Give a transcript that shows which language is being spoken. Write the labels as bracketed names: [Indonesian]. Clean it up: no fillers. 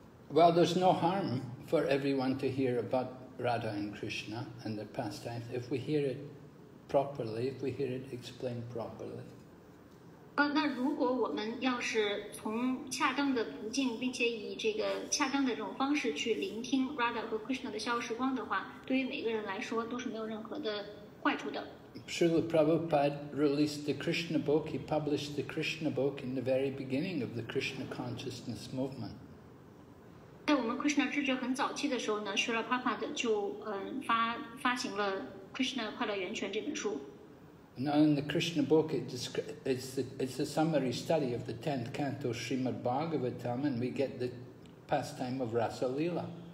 [English] Well, there's no harm for everyone to hear about Radha and Krishna and their pastimes if we hear it properly, if we hear it explained properly. [Chinese] 那如果我们要是从恰当的途径，并且以这个恰当的这种方式去聆听 Radha 和 Krishna 的逍遥时光的话，对于每个人来说都是没有任何的坏处的。 [English] Srila Prabhupada released the Krishna book. He published the Krishna book in the very beginning of the Krishna consciousness movement. [Chinese] 在我们 Krishna 知觉很早期的时候呢 ，Srila Prabhupada 就发行了 Krishna 快乐源泉这本书。 [English] Now in the Krishna book, it's a summary study of the 10th canto Srimad Bhagavatam, and we get the pastime of Rasa Lila.